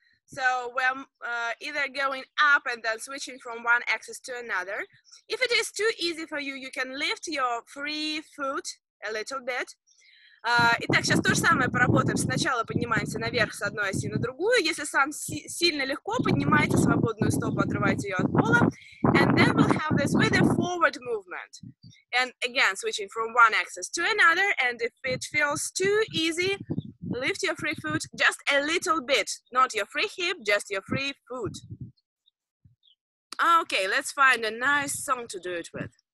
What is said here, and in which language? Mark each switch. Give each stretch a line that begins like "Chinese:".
English: So we're either going up and then switching from one axis to another. If it is too easy for you, you can lift your free foot a little bit.
Russian: Итак, сейчас то же самое поработаем. Сначала поднимаемся наверх с одной оси на другую. Если сам сильно легко, поднимайте свободную стопу, отрывайте ее от пола.
English: And then we'll have this with a forward movement. And again, switching from one axis to another. And if it feels too easy, lift your free foot just a little bit. Not your free hip, just your free foot. Okay, let's find a nice song to do it with.